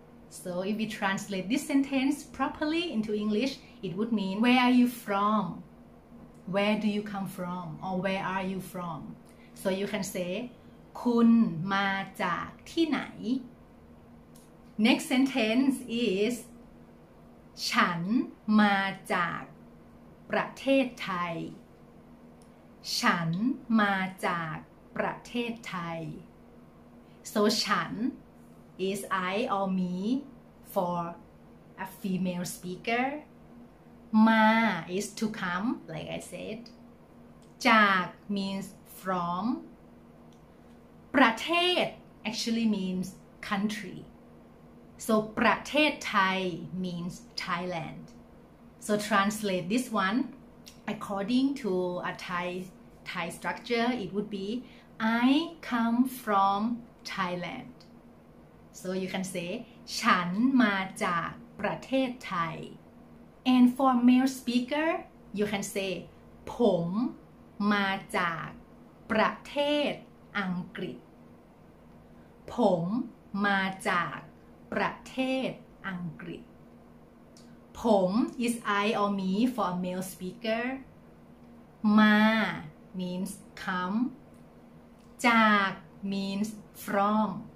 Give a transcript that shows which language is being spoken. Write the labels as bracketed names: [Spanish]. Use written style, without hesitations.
[English] So if we translate this sentence properly into English, it would mean, where are you from? Where do you come from? Or where are you from? So you can say, [Thai] คุณมาจากที่ไหน? [English] Next sentence is, [Thai] ฉันมาจากประเทศไทย. ฉันมาจากประเทศไทย. [English] So ฉัน is I or me for a female speaker. มา is to come, like I said. จาก means from. ประเทศ actually means country. So ประเทศไทย means Thailand. So translate this one according to a Thai structure, it would be I come fromThailand. So you can say [Thai] ฉันมาจากประเทศไทย [English] And for male speaker you can say [Thai] ผมมาจากประเทศอังกฤษ ผมมาจากประเทศอังกฤษ [English] ผม is I or me for a male speaker มา means come จากmeans from